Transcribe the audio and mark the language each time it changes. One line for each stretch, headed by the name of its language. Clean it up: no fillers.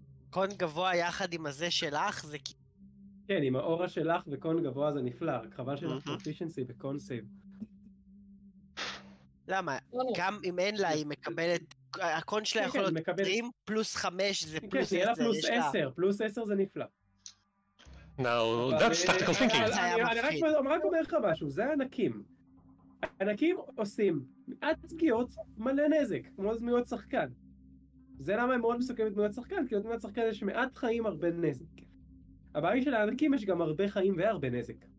Hebrew: קון גבוה יחד עם הזה שלך זה כן, עם האורה שלך וקון גבוה זה נפלא, רק חבל שלך פרופישנסי וקון סייב. למה? גם אם אין לה, היא מקבלת... הקון שלה יכול להיות 20 פלוס 5 זה פלוס 10. כן, תהיה לה פלוס 10, פלוס 10 זה נפלא.
English: Now, that's tactical thinking.
Hebrew: אני רק אומר לך משהו, זה הענקים. הענקים עושים מעט פגיעות מלא נזק, כמו זמיות שחקן. זה למה הם מאוד מסוכנים את דמויות שחקן, כי דמויות שחקן יש מעט חיים, הרבה נזק. הבעיה של הענקים יש גם הרבה חיים והרבה נזק.